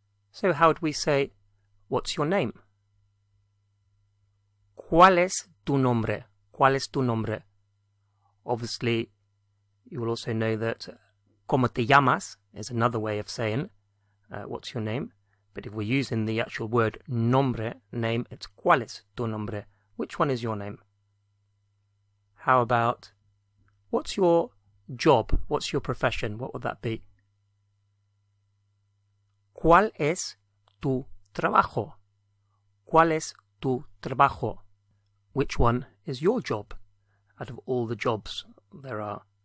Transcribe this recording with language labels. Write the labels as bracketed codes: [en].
[en] So how would we say, what's your name? [es] ¿Cuál es tu nombre? ¿Cuál es tu nombre? [en] Obviously, you will also know that [es] ¿cómo te llamas? [en] Is another way of saying, what's your name? But if we're using the actual word nombre, name, it's [es] ¿cuál es tu nombre? [en] Which one is your name? How about, what's your job? What's your profession? What would that be? [es] ¿Cuál es tu trabajo? ¿Cuál es tu trabajo? [en] Which one is your job out of all the jobs there are?